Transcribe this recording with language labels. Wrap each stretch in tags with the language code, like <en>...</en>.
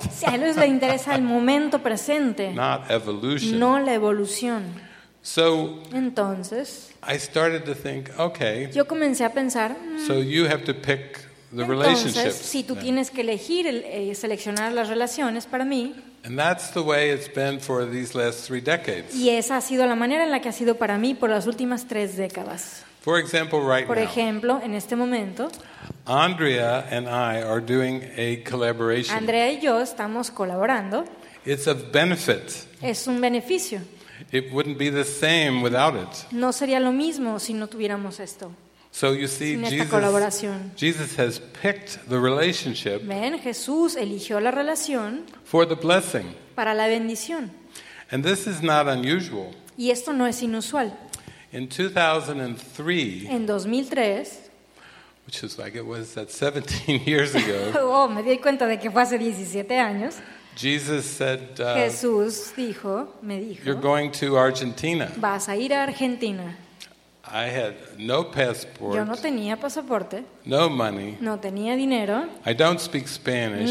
<es>Sí, a ellos le interesa el momento presente.</es> <en>Not evolution.</en> <es>No la evolución.</es> <en>So.</en> <es>Entonces.</es> <en>I started to think, okay.</en> <es>Yo comencé a pensar.</es> <en>So you have to pick. The relationships.</en> <es>Entonces, si tú tienes que elegir, seleccionar las relaciones para mí.</es> <en>And that's the way it's been for these last three decades.</en> <es>Y esa ha sido la manera en la que ha sido para mí por las últimas tres décadas.</es> <en>For example, right</en> <es>now. Por ejemplo, en este momento.</es> <en>Andrea and I are doing a collaboration.</en> <es>Andrea y yo estamos colaborando.</es> <en>It's a benefit.</en> <es>Es un beneficio.</es> <en>It wouldn't be the same without it.</en> <es>No sería lo mismo si no tuviéramos esto.</es> <en>So you see, Jesus has picked the relationship.</en> <es>Ven, Jesús eligió la relación</es> <en>for the blessing.</en> <es>Para la bendición.</es> <en>And this is not unusual.</en> <es>Y esto no es inusual.</es> <en>In 2003.</en> <es>En 2003.</es> <en>Which is like it was that 17 years ago.</en> <es>Oh, me di cuenta de que fue hace 17 años.</es> <en>Jesus said.</en> <es>Jesús dijo, me dijo.</es> <en>You're going to Argentina.</en> <es>Vas a ir a Argentina.</es> <en>I had no passport.</en> <es>Yo no tenía pasaporte.</es> <en>No money.</en> <es>No tenía dinero.</es> <en>I don't speak Spanish.</en>